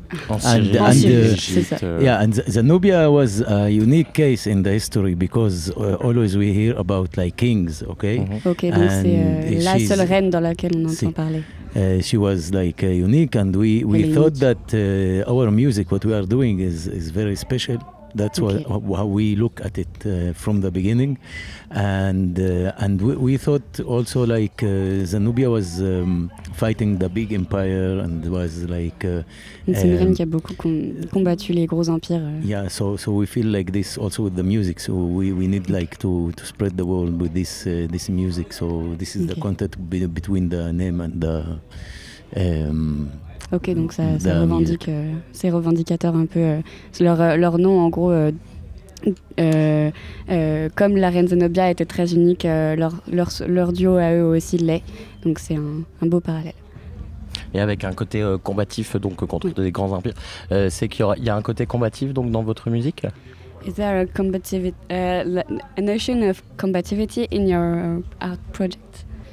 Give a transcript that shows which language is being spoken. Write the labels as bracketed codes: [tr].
[en] And Zenobia was a unique case in the history because always we hear about like kings, okay? Mm-hmm. [fr] Okay, donc c'est la seule reine dans laquelle on entend parler. [en] She was like unique, and we thought that our music, what we are doing, is very special. That's okay. How we look at it from the beginning, and we thought also like Zenobia was fighting the big empire and was like. [fr] C'est une reine qui a beaucoup combattu les gros empires. [en] Yeah, so we feel like this also with the music. So we need like to spread the world with this music. So this is the content between the name and the. [fr] Ok, donc ça revendique, c'est revendicateur un peu, leur nom en gros, comme la reine Zenobia était très unique, leur duo à eux aussi l'est, donc c'est un beau parallèle. Et avec un côté combatif donc contre des grands empires, c'est qu'il y a un côté combatif donc dans votre musique? [en] Is there a combativity, a notion of combativity in your art project?